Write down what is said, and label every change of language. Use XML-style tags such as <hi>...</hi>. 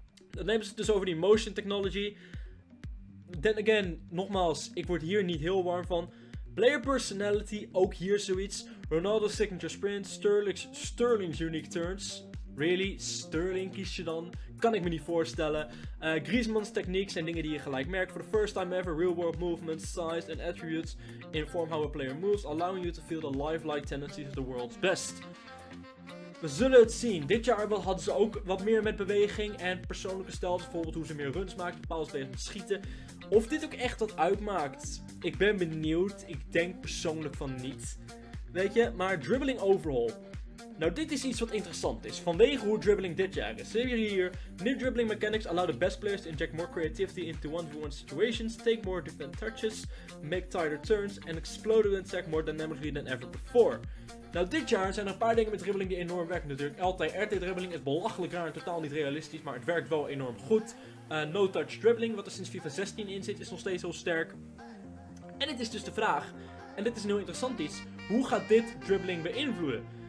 <nl>Dan nemen ze het dus over die motion technology.</nl> <en>Then again,</en> <nl>nogmaals, ik word hier niet heel warm van. Player personality, ook hier zoiets.</nl> <en>Ronaldo's signature sprint, Sterling's unique turns. Really?</en> <nl>Sterling kies je dan? Kan ik me niet voorstellen. Griezmann's techniques zijn dingen die je gelijk merkt.</nl> <en>For the first time ever, real world movements, size and attributes inform how a player moves, allowing you to feel the lifelike tendencies of the world's best.</en> <nl>We zullen het zien. Dit jaar hadden ze ook wat meer met beweging en persoonlijke stijl. Bijvoorbeeld hoe ze meer runs maken, bepaalde spelers met schieten. Of dit ook echt wat uitmaakt. Ik ben benieuwd. Ik denk persoonlijk van niet. Weet je, maar dribbling overhaul. Nou, dit is iets wat interessant is. Vanwege hoe dribbling dit jaar is. Zie je hier.</nl> <en>New dribbling mechanics allow the best players to inject more creativity into 1v1 situations. Take more defend touches. Make tighter turns. And explode the attack more dynamically than ever before.</en> <nl>Nou, dit jaar zijn er een paar dingen met dribbling die enorm werken natuurlijk. LT-RT dribbling is belachelijk raar en totaal niet realistisch, maar het werkt wel enorm goed. No-touch dribbling, wat er sinds FIFA 16 in zit, is nog steeds heel sterk. En het is dus de vraag, en dit is een heel interessant iets, hoe gaat dit dribbling beïnvloeden?</nl>